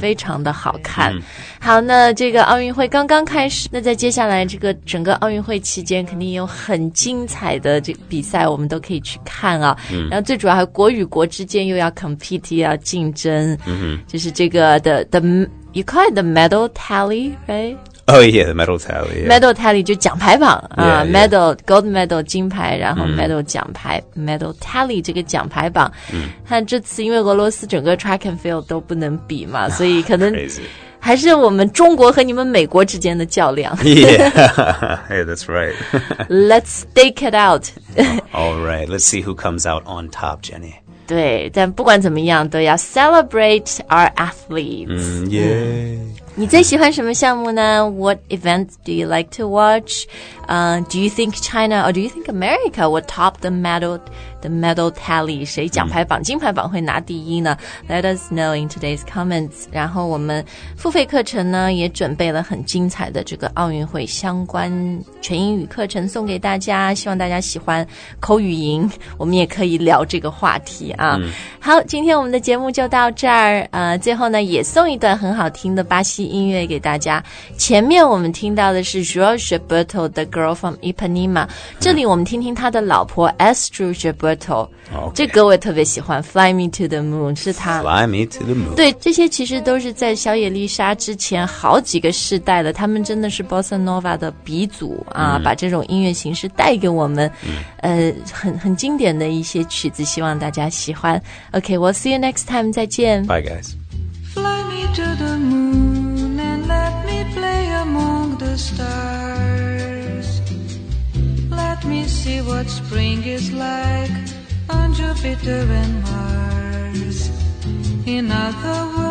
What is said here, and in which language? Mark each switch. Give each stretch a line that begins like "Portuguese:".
Chinese: 非常的好看、mm-hmm. 好那这个奥运会刚刚开始那在接下来这个整个奥运会期间肯定有很精彩的这个比赛我们都可以去看啊、 mm-hmm. 然后最主要还国与国之间又要 compete 要竞争、 mm-hmm. 就是这个
English: the you call it the medal tally, right? Oh yeah, the medal tally、yeah.
Chinese: Medal tally 就奖牌榜
English: yeah, yeah.
Chinese: Medal, gold medal 金牌然后 medal 奖牌、mm-hmm. Medal tally 这个奖牌榜、 mm-hmm. 这次因为俄罗斯整个 track and field 都不能比嘛所以可能、
English: crazy.
Chinese: 还是我们中国和你们美国之间的较量
English: Yeah, hey, that's right Let's stake it out All right, let's see who comes out on top, Jenny
Chinese: 对，但不管怎么样，都要
English: celebrate our athletes。
Chinese: 嗯，耶。你最喜欢什么项目呢
English: What events do you like to watch? Do you think China or do you think America will top the medal tally?
Chinese: 谁奖牌榜、金牌榜会拿第一呢
English: Let us know in today's comments.
Chinese: 然后我们付费课程呢也准备了很精彩的这个奥运会相关全英语课程送给大家希望大家喜欢口语营我们也可以聊这个话题啊、好今天我们的节目就到这儿最后呢也送一段很好听的巴西音乐给大家前面我们听到的是 Jorge Berto 的 Girl from Ipanema 这里我们听听他的老婆 Astro Gilberto、这歌我也特别喜欢 Fly Me to the Moon 是他
English: Fly Me to the Moon
Chinese: 对这些其实都是在小野丽莎之前好几个世代的他们真的是 Bossa Nova 的鼻祖啊、把这种音乐形式带给我们、很经典的一些曲子希望大家喜欢
English: OK we'll see you next time
Chinese: 再见
English: Bye guys Fly me to the moon And let me play among the stars Let me see what spring is like On Jupiter and Mars In other words